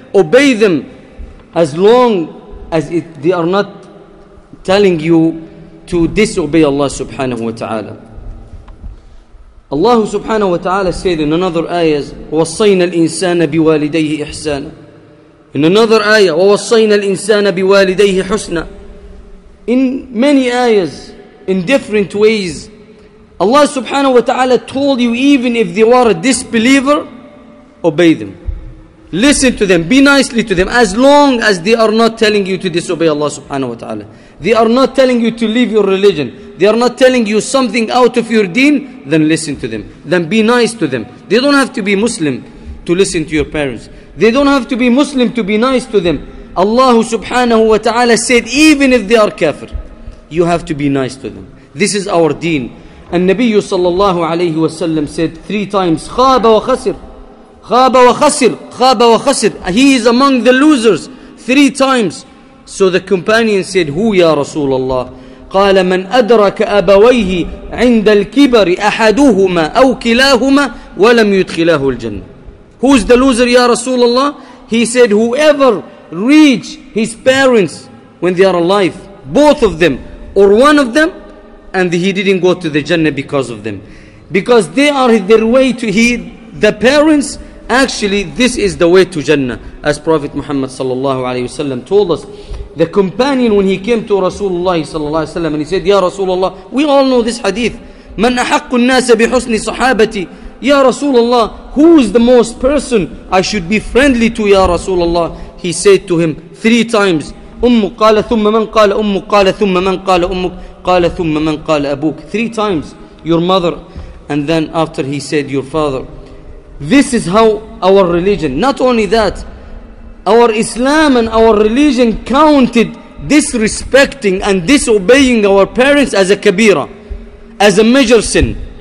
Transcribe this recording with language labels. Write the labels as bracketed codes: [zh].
[en] Obey them as long as they are not telling you to disobey Allah subhanahu wa ta'ala. Allah subhanahu wa ta'ala said in another ayah, [ar] وَصَيْنَا الْإِنسَانَ بِوَالِدَيْهِ إِحْسَانًا. [en] In another ayah, [ar] وَوَصَّيْنَا الْإِنسَانَ بِوَالِدَيْهِ حُسْنًا. [en] In many ayahs, in different ways, Allah subhanahu wa ta'ala told you, even if they were a disbeliever, obey them. Listen to them. Be nicely to them. As long as they are not telling you to disobey Allah subhanahu wa ta'ala. They are not telling you to leave your religion. They are not telling you something out of your deen. Then listen to them. Then be nice to them. They don't have to be Muslim to listen to your parents. They don't have to be Muslim to be nice to them. Allah subhanahu wa ta'ala said, even if they are kafir, you have to be nice to them. This is our deen. And Nabi sallallahu alayhi wa sallam said three times, [ar] khaba wa khasir, khaba wa khasir, [en] khaba wa khasir. He is among the losers three times. So the companion said, who ya Rasulullah? [ar] قال من أدرك أبويه عند الكبر أحدهما أو كلاهما ولم يدخلاه الجنة. [en] Who's the loser, ya Rasulullah? He said, whoever reached his parents when they are alive, both of them or one of them, and he didn't go to the Jannah because of them. Because they are their way to heed the parents. Actually, this is the way to Jannah. As Prophet Muhammad sallallahu alayhi wasallam told us, the companion, when he came to Rasulullah sallallahu alayhi wasallam, and he said, ya Rasulullah, we all know this hadith. [ar] من أحق الناس بحسن صحابتي. [en] Ya Rasulullah, who is the most person I should be friendly to, ya Rasulullah? He said to him three times, [ar] أمك قال ثم من قال أمك قال ثم من قال أمك قال ثم من قال أبوك. [en] Three times, your mother. And then after he said, your father. This is how our religion, not only that, our Islam and our religion counted disrespecting and disobeying our parents as a kabira, as a major sin.